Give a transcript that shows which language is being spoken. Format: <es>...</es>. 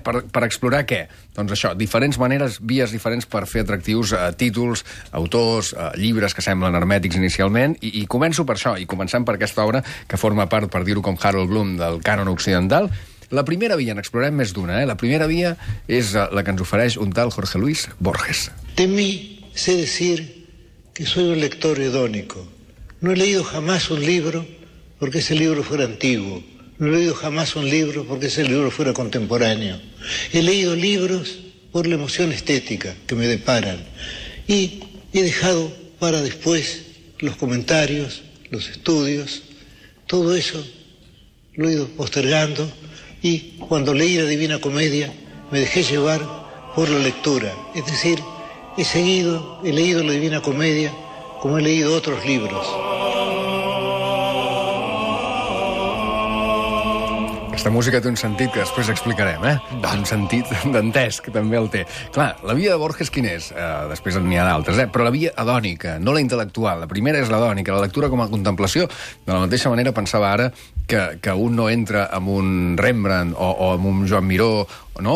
<ca>Per explorar què? Doncs això, diferents maneres, vies diferents per fer atractius títols, autors, llibres que semblen hermètics inicialment, i començo per això, i començant per aquesta obra que forma part, per dir-ho com Harold Bloom, del cànon occidental. La primera via, n'explorem més d'una, eh? La primera via és la que ens ofereix un tal Jorge Luis Borges.</ca> <es>De mí sé decir que soy un lector hedónico. No he leído jamás un libro porque ese libro fuera antiguo. No he leído jamás un libro porque ese libro fuera contemporáneo. He leído libros por la emoción estética que me deparan. Y he dejado para después los comentarios, los estudios, todo eso lo he ido postergando, y cuando leí la Divina Comedia me dejé llevar por la lectura. Es decir, he leído la Divina Comedia como he leído otros libros.</es> <ca>Aquesta música té un sentit que després explicarem, eh? Un sentit dantesc també el té. Clar, la via de Borges quin és? Després n'hi ha d'altres, eh? Però la via hedònica, no la intel·lectual. La primera és l'hedònica, la lectura com a contemplació. De la mateixa manera pensava ara que un no entra en un Rembrandt o en un Joan Miró, no?</ca>